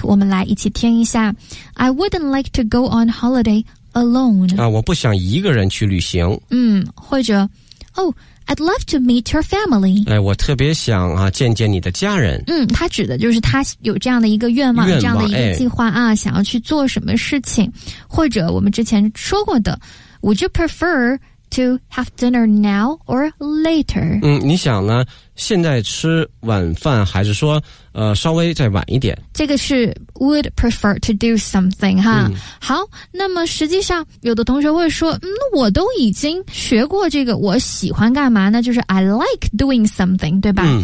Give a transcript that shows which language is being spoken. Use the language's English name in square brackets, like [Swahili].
[Chinese] 我们来一起听一下 [English] ，I wouldn't like to go on holiday alone。 [Chinese] 我不想一个人去旅行。或者。 [English] Oh, I'd love to meet your family. [Chinese] 我特别想啊见见你的家人。他指的就是他有这样的一个愿望，这样的一个计划啊、想要去做什么事情。或者我们之前说过的 [English] ,would you prefer to have dinner now or later? [Chinese] 你想呢现在吃晚饭还是说稍微再晚一点。这个是 [English] would prefer to do something, [Chinese] 哈。好，那么实际上有的同学会说我都已经学过这个我喜欢干嘛呢，就是 [English] I like doing something, [Chinese] 对吧。